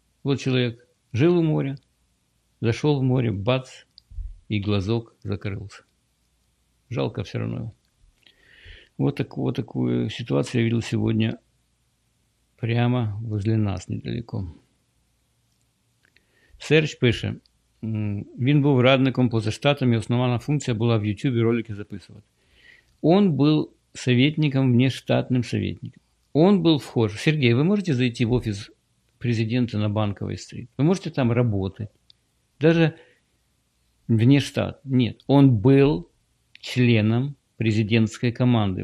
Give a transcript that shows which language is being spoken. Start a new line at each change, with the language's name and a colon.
Russian: Вот человек жил у моря, зашел в море, бац, и глазок закрылся. Жалко все равно его. Вот, так, вот такую ситуацию я видел сегодня прямо возле нас, недалеко.
Ukrainian: Серж пише, він був радником поза штатами, основна функція була в Ютубі ролики записувати.
Russian: Он был советником, внештатным советником. Он был вхож. Сергей, вы можете зайти в офис президента на Банковой стрит? Вы можете там работать? Даже внештат. Нет, он был членом президентской команды.